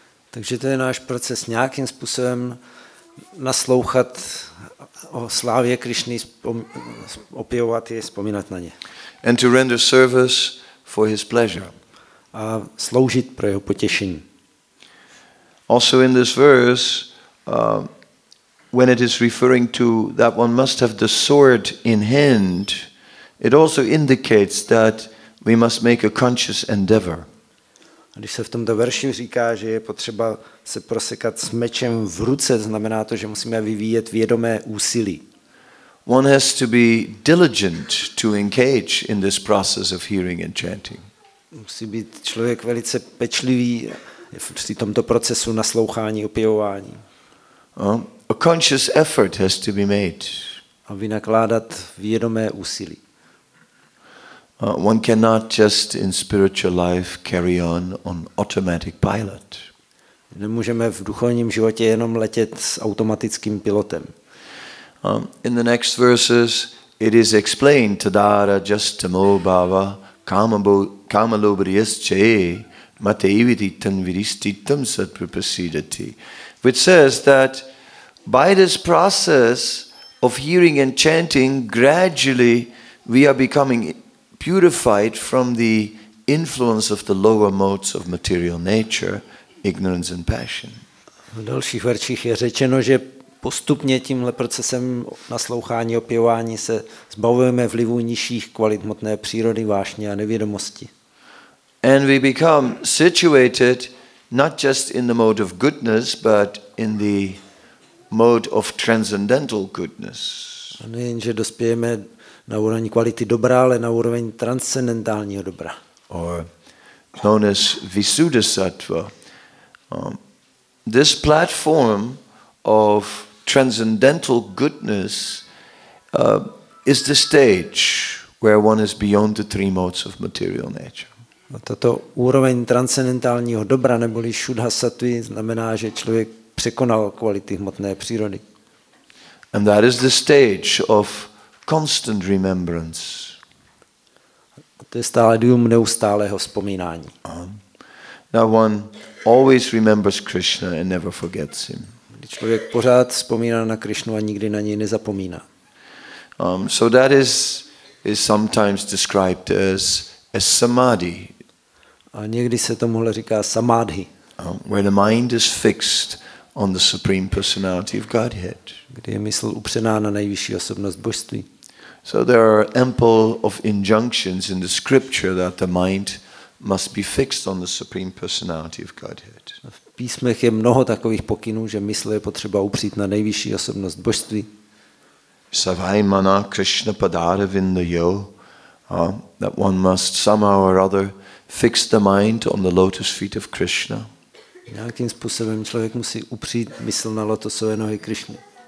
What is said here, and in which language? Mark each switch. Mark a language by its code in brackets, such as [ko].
[cs] Takže to je náš proces nějakým způsobem naslouchat o slávě Krišny, opěvovat je, vzpomínat na ně. [en] And to render service for his pleasure. [cs] a sloužit pro jeho potěšení. [en] Also in this verse, when it is referring to that one must have the sword in hand, it also indicates that we must make a conscious endeavor. [cs] A když se v tomto verši říká, že je potřeba se prosekat s mečem v ruce, znamená to, že musíme vyvíjet vědomé úsilí. [en] One has to be diligent to engage in this process of hearing and chanting. [cs] Musí být člověk velice pečlivý v tomto procesu naslouchání, opěvování. [en] A conscious effort has to be made. [cs] A vynakládat vědomé úsilí. [en] One cannot just in spiritual life carry on automatic pilot. [cs] Nemůžeme v duchovním životě jenom letět s automatickým pilotem. [en] In the next verses it is explained [sa] tadara jastamo bhava kamalobriyasce mateiviti tanviristitam satpripasidati, [en] which says that by this process of hearing and chanting gradually we are becoming purified from the influence of the lower modes of material nature, ignorance and passion. [cs] V dalších verších je řečeno, že postupně tímhle procesem naslouchání, opěvání se zbavujeme vlivu nižších kvalit hmotné přírody, vášně a nevědomosti. [en] And we become situated not just in the mode of goodness, but in the mode of transcendental goodness. [cs] A nejenže dospějeme na úroveň kvality dobra, ale na úroveň transcendentálního dobra. [en] Or known as Visuddhisattva. This platform of transcendental goodness is the stage where one is beyond the three modes of material nature. [cs] Tato úroveň transcendentálního dobra, neboli Shuddhasattva, znamená, že člověk překonal kvality hmotné přírody. [en] And that is the stage of constant remembrance. [cs] To je stále dům neustálého vzpomínání. [en] Now one always remembers Krishna and never forgets him. [cs] Člověk pořád vzpomíná na Krishnu a nikdy na něj nezapomíná. [en] So that is sometimes described as a samadhi. [cs] A někdy se tomuhle říká samadhi. [en] Where the mind is fixed on the supreme personality of Godhead. [cs] Kdy je mysl upřená na nejvyšší osobnost božství. [en] So there are ample of injunctions in the scripture that the mind must be fixed on the supreme personality of Godhead. [cs] V písmech je mnoho takových pokynů, že mysl je potřeba upřít na nejvyšší osobnost božství. [sa] Savai mana Krishna padaravindayo, [en] that one must somehow or other fix the mind on the lotus feet of Krishna. [cs] Nějakým způsobem člověk musí upřít mysl na lotosové nohy Krishny.